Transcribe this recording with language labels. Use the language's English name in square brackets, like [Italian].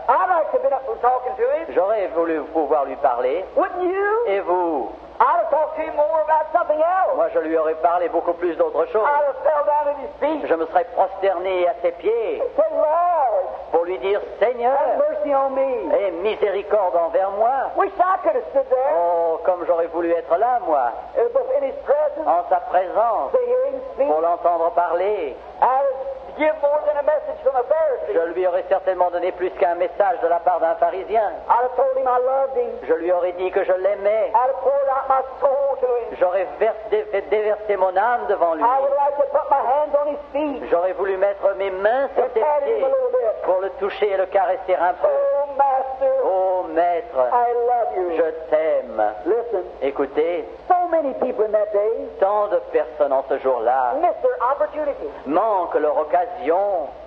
[English] I'd like to have been up and talking to him. [French] J'aurais voulu pouvoir lui parler. [English] Wouldn't you? [French] Et vous? [English] I'd have talked to him more about something else. [French] Moi, je lui aurais parlé beaucoup plus d'autres choses. [English] I'd have fell down at his feet. [French] Je me serais prosterné à ses pieds. [English] Say, Lord. [French] Pour lui dire, Seigneur, [English] have mercy on me. [French] Et miséricorde envers moi. [English] Wish I could have stood there. [French] Oh, comme j'aurais voulu être là, moi. [English] In his presence. [French] En sa présence. [English] To hear him speak. [French] Pour l'entendre parler. [English] Give more than a message from a Pharisee. [French] Je lui aurais certainement donné plus qu'un message de la part d'un pharisien. [English] I'd have told him I loved him. [French] Je lui aurais dit que je l'aimais. [English] I'd have poured out my soul to him. [French] J'aurais déversé mon âme devant lui. [English] I would like to put my hands on his feet. [French] J'aurais voulu mettre mes mains sur ses pieds pour le toucher et le caresser un peu. [English] Oh, master, [French] oh maître, [English] I love you. [French] Je t'aime. [English] Listen. [French] Écoutez. [English] So many people in that day. [French] Tant de personnes en ce jour-là. [English] Miss their opportunity. [French] Manque leur occasion.